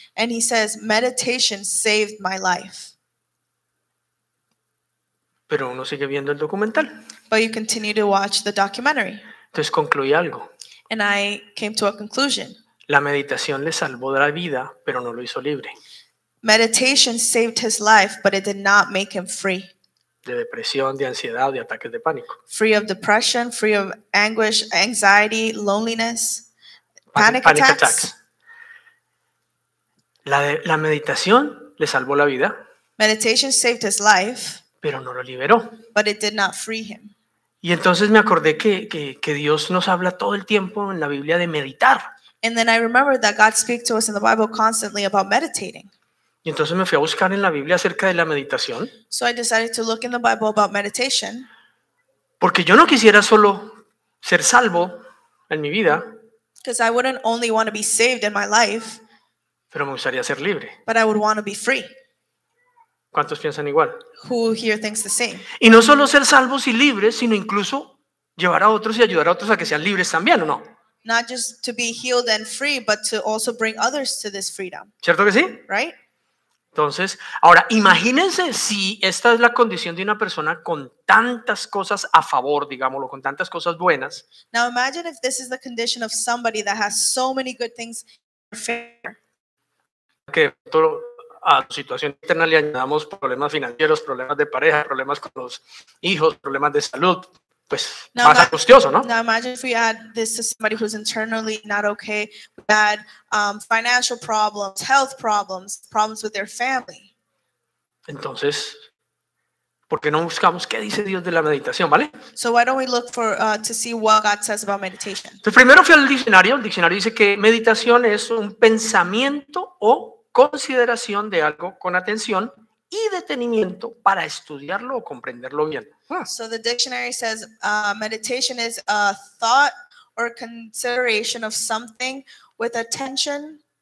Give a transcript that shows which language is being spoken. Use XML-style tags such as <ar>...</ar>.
<en>And he says, meditation saved my life.</en> <es>Pero uno sigue viendo el documental.</es> <en>But you continue to watch the documentary.</en> <es>Entonces concluí algo.</es> <en>And I came to a conclusion.</en> <es>La meditación le salvó de la vida, pero no lo hizo libre.</es> <en>Meditation saved his life, but it did not make him free.</en> <es>De depresión, de ansiedad, de ataques de pánico.</es> <en>Free of depression, free of anguish, anxiety, loneliness, panic attacks.</en> <es>La meditación le salvó la vida.</es> <en>Meditation saved his life.</en> <es>Pero no lo liberó.</es> <en>But it did not free him.</en> <es>Y entonces me acordé que Dios nos habla todo el tiempo en la Biblia de meditar.</es> <en>And then I remembered that God speaks to us in the Bible constantly about meditating.</en> <es>Y entonces me fui a buscar en la Biblia acerca de la meditación.</es> <en>So I decided to look in the Bible about meditation.</en> <es>Porque yo no quisiera solo ser salvo en mi vida.</es> <en>Because I wouldn't only want to be saved in my life.</en> <es>Pero me gustaría ser libre.</es> <en>But I would want to be free.</en> <es>¿Cuántos piensan igual?</es> <en>Who here thinks the same?</en> <es>Y no solo ser salvos y libres, sino incluso llevar a otros y ayudar a otros a que sean libres también, ¿o no?</es> <en>Not just to be healed and free, but to also bring others to this freedom.</en> <es>¿Cierto que sí?</es> <en>Right?</en> <es>Entonces, ahora imagínense si esta es la condición de una persona con tantas cosas a favor, digámoslo, con tantas cosas buenas.</es> <en>Now imagine if this is the condition of somebody that has so many good things in their favor.</en> <es>Que todo a su situación interna le añadamos problemas financieros, problemas de pareja, problemas con los hijos, problemas de salud, pues</es> <en>now</en> <es>más angustioso, ¿no?</es> <en>Now imagine if we add this to somebody who's internally not okay, we add financial problems, health problems, problems with their family.</en> <es>Entonces, ¿por qué no buscamos qué dice Dios de la meditación, vale?</es> <en>So why don't we look for to see what God says about meditation?</en> <es>Entonces, primero fui al diccionario. El diccionario dice que meditación es un pensamiento o consideración de algo con atención y detenimiento para estudiarlo o comprenderlo bien.</es> <en>So the dictionary says meditation is a thought or consideration of something with attention.</en>